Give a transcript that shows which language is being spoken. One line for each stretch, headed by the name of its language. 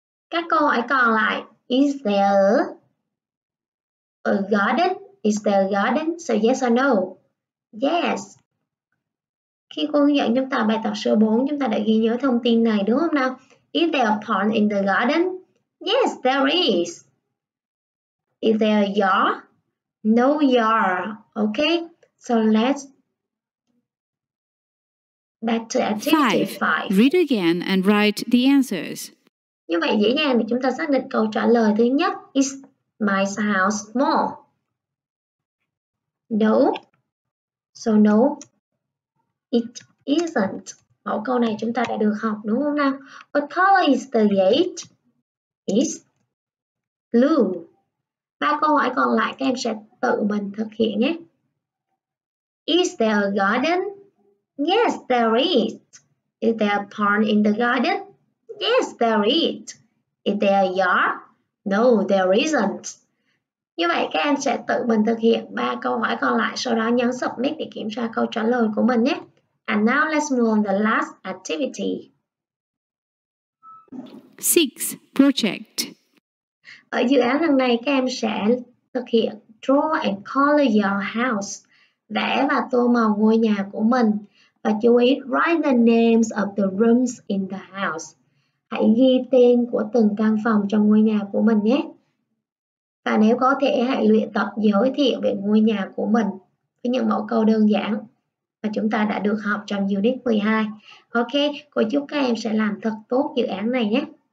Vietnamese: Các câu hỏi còn lại,
English: is there a garden? Is there a garden? So yes or no? Yes.
Vietnamese: Khi cô hướng dẫn chúng ta bài tập số 4, chúng ta đã ghi nhớ thông tin này đúng không nào?
English: Is there a pond in the garden? Yes, there is. Is there a yard? No yard. Okay? So let's Better activity 5. Read again and write the answers.
Vietnamese: Như vậy dễ dàng thì chúng ta xác định câu trả lời thứ nhất.
English: Is my house small? No. So no, it isn't.
Vietnamese: Mẫu câu này chúng ta đã được học đúng không nào?
English: What color is the gate? It's blue.
Vietnamese: Ba câu hỏi còn lại các em sẽ tự mình thực hiện nhé.
English: Is there a garden? Yes, there is. Is there a pond in the garden? Yes, there is. Is there a yard? No, there isn't.
Vietnamese: Như vậy các em sẽ tự mình thực hiện ba câu hỏi còn lại, sau đó nhấn submit để kiểm tra câu trả lời của mình nhé.
English: And now let's move on to the last activity. 6. Project.
Vietnamese: Ở dự án lần này các em sẽ thực hiện
English: draw and color your house,
Vietnamese: vẽ và tô màu ngôi nhà của mình. Và chú ý,
English: write the names of the rooms in the house.
Vietnamese: Hãy ghi tên của từng căn phòng trong ngôi nhà của mình nhé. Và nếu có thể hãy luyện tập giới thiệu về ngôi nhà của mình với những mẫu câu đơn giản mà chúng ta đã được học trong Unit 12. Ok, cô chúc các em sẽ làm thật tốt dự án này nhé.